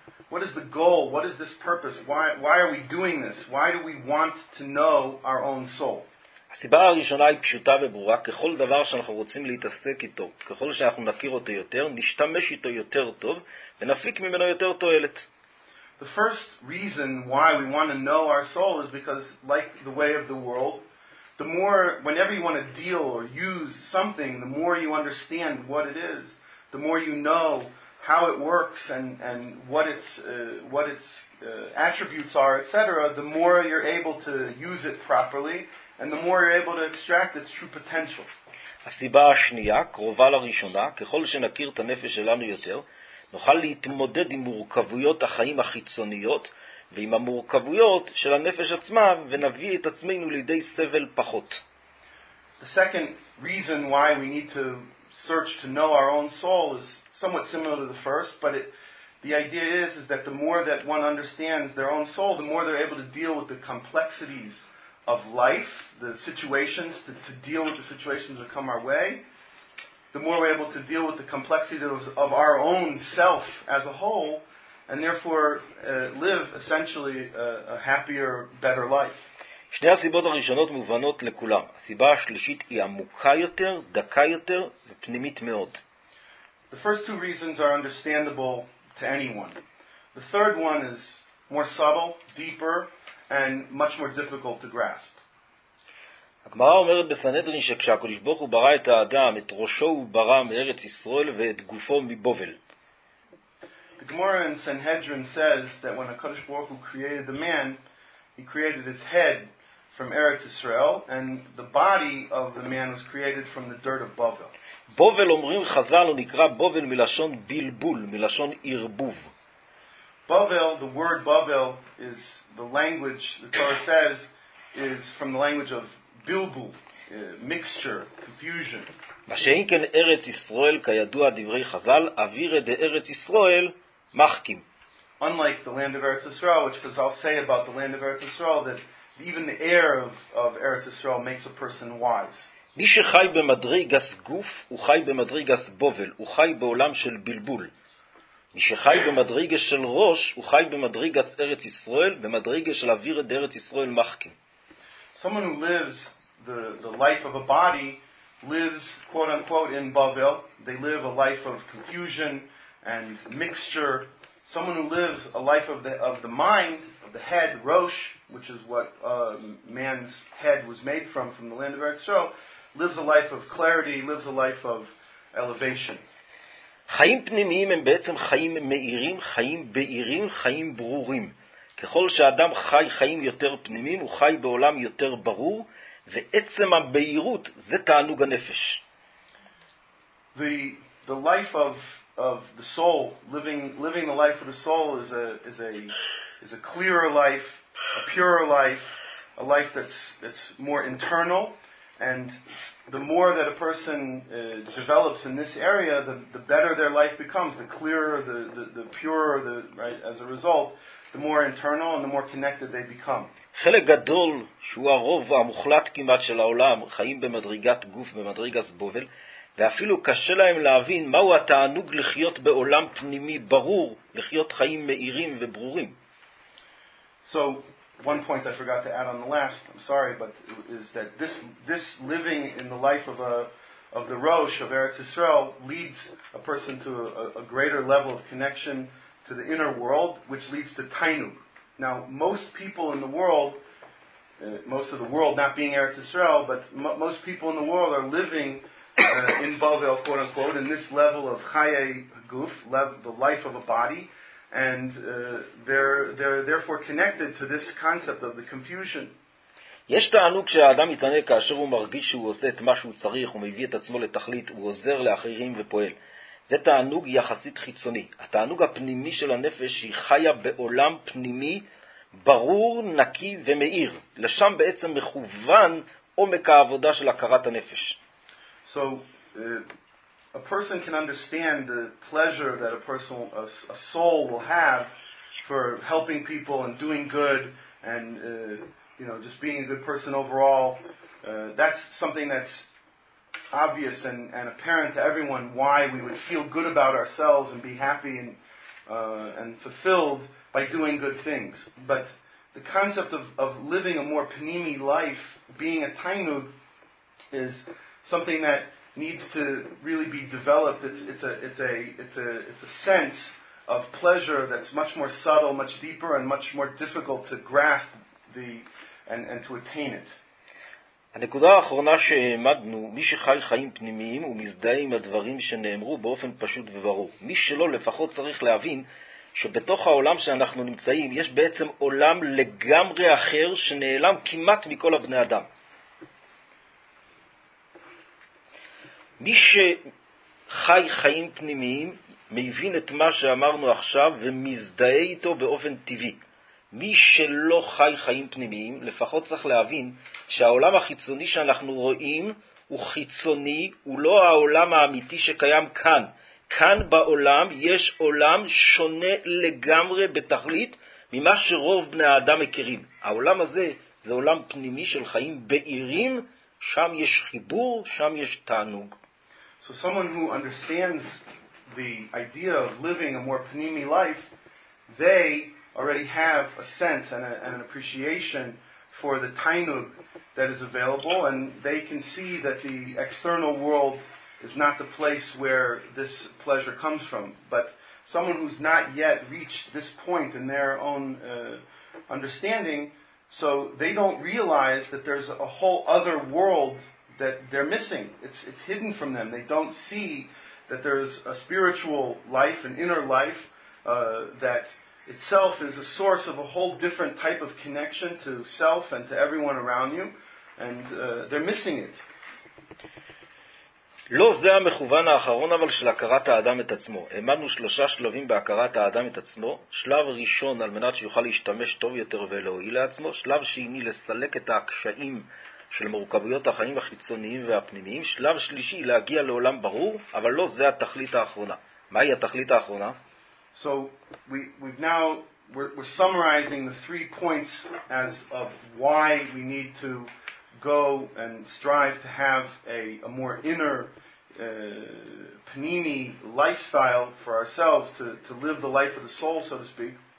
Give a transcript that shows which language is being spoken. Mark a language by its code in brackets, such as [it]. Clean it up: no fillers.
[en] What is the purpose though? What is the goal? What is this purpose? Why are we doing this? Why do we want to know our own soul? [he] הסיבה הראשונה היא פשוטה וברורה. ככל דבר שאנחנו רוצים להתעסק איתו, ככל שאנחנו נכיר אותו יותר, נשתמש איתו יותר טוב ונפיק ממנו יותר תועלת. [en] The first reason why we want to know our soul is because, like the way of the world, the more, whenever you want to deal or use something, the more you understand what it is, the more you know how it works and what its attributes are, etc., the more you're able to use it properly and the more you're able to extract its true potential. [he] הסיבה השנייה, קרובה לראשונה, ככל שנכיר את הנפש שלנו יותר, נוכל להתמודד עם מורכבויות החיים החיצוניות ועם המורכבויות של הנפש עצמה, ונביא את עצמנו לידי סבל פחות. [en] The second reason why we need to search to know our own soul is somewhat similar to the first, but the idea is that the more that one understands their own soul, the more they're able to deal with the complexities of life, the situations, to deal with the situations that come our way, the more we're able to deal with the complexities of our own self as a whole, and therefore live essentially a happier, better life. [he] שני הסיבות הראשונות מובנות לכולם. הסיבה השלישית היא עמוקה יותר, דקה יותר ופנימית מאוד. [en] The first two reasons are understandable to anyone. The third one is more subtle, deeper, and much more difficult to grasp. [he] הגמרא אומרת בסנהדרין שכשהקדוש ברוך הוא ברא את האדם, את ראשו הוא ברא מארץ ישראל ואת גופו מבובל. [en] The Gemara in Sanhedrin says that when HaKadosh Baruch Hu created the man, he created his head from Eretz Yisrael, and the body of the man was created from the dirt of Bovel. [he] Bovel, אומרים חז"ל, הוא נקרא בובל מלשון בלבול, מלשון ערבוב. [en] Bovel, the word Bovel, is the language, the Torah says, is from the language of bilbul, mixture, confusion. [he] מה שאין כן ארץ ישראל, כידוע דברי חז"ל, אבירי דארץ ישראל, מחכים. [en] unlike the land of Eretz Yisrael, which Chazal say about the land of Eretz Yisrael, that even the air of Eretz Yisrael makes a person wise. [he] מי שחי במדרגת גוף וחי במדרגת בובל וחי בעולם של בלבול. מי שחי במדרגת של ראש וחי במדרגת ארץ ישראל ומדרגת של אוויר ארץ ישראל מחכים. [en] Someone who lives the life of a body lives quote unquote in Babel. They live a life of confusion and mixture. Someone who lives a life of the mind, of the head, Rosh, which is what man's head was made from the land of Eretz Yisrael, lives a life of clarity, lives a life of elevation. [he] חיים פנימיים הם בעצם חיים מאירים, חיים בהירים, חיים ברורים. ככל שאדם חי חיים יותר פנימיים, הוא חי בעולם יותר ברור, ועצם הבהירות זה תענוג הנפש. [en] The life of the soul, living the life of the soul is a clearer life, a purer life, a life that's more internal, and the more that a person develops in this area, the better their life becomes, the clearer, the purer, the right, as a result, the more internal and the more connected they become. [he] חלק גדול שהוא הרוב המוחלט כמעט של העולם חיים במדרגת גוף, במדרגת בובל, ואפילו קשה להם להבין מהו התענוג לחיות בעולם פנימי ברור, לחיות חיים מאירים וברורים. [en] So one point I forgot to add on the last, I'm sorry, but is that this living in the life of the Rosh of Eretz Yisrael leads a person to a greater level of connection to the inner world, which leads to tainug. Now most people in the world, most of the world not being Eretz Yisrael, but most people in the world are living in Bavel, quote unquote, in this level of chaye guf, the life of a body, and they're therefore connected to this concept of the confusion. [he] יש תענוג שהאדם יתענה כאשר הוא מרגיש שהוא עושה את מה שהוא צריך, הוא מביא את עצמו לתכלית, הוא עוזר לאחרים ופועל. זה תענוג יחסית חיצוני. התענוג הפנימי של הנפש היא חיה בעולם פנימי ברור, נקי ומאיר. לשם בעצם מכוון עומק העבודה של הכרת הנפש. [en] So a person can understand the pleasure that a soul will have for helping people and doing good and you know, just being a good person overall. That's something that's obvious and apparent to everyone, why we would feel good about ourselves and be happy and fulfilled by doing good things. But the concept of living a more panimi life, being a tainug, is something that needs to really be developed. It's a sense of pleasure that's much more subtle, much deeper, and much more difficult to grasp and to attain it. [he] הנקודה האחרונה שהעמדנו, מי שחי חיים פנימיים ומזדהה עם הדברים שנאמרו באופן פשוט וברור. מי שלא, לפחות צריך להבין שבתוך העולם שאנחנו נמצאים יש בעצם עולם לגמרי אחר שנעלם כמעט מכל הבני אדם. מי שחי חיים פנימיים מבין את מה שאמרנו עכשיו ומזדהה איתו באופן טבעי. מי שלא חי חיים פנימיים, לפחות צריך להבין שהעולם החיצוני שאנחנו רואים הוא חיצוני, הוא לא העולם האמיתי שקיים כאן. כאן בעולם יש עולם שונה לגמרי בתכלית ממה שרוב בני האדם מכירים. העולם הזה זה עולם פנימי של חיים בהירים, שם יש חיבור, שם יש תענוג. [en] So someone who understands the idea of living a more panimi life, they already have a sense and an appreciation for the tainug that is available, and they can see that the external world is not the place where this pleasure comes from. But someone who's not yet reached this point in their own understanding, so they don't realize that there's a whole other world that they're missing. It's hidden from them. They don't see that there's a spiritual life, an inner life, that itself is a source of a whole different type of connection to self and to everyone around you, and they're missing it. [he] לא זה המכוון האחרון אבל של הכרת האדם את עצמו. העמדנו שלושה שלבים בהכרת האדם את עצמו. שלב ראשון על מנת שיוכל להשתמש טוב יותר ולהועיל לעצמו. שלב שני לסלק את הקשיים של מורכבויות החיים החיצוניים והפנימיים. שלב שלישי להגיע לעולם ברור, אבל לא זה התכלית האחרונה. מהי התכלית האחרונה? [en] So we've now we're summarizing the three points as of why we need to go and strive to have a more inner panini lifestyle for ourselves, to live the life of the soul, so to speak.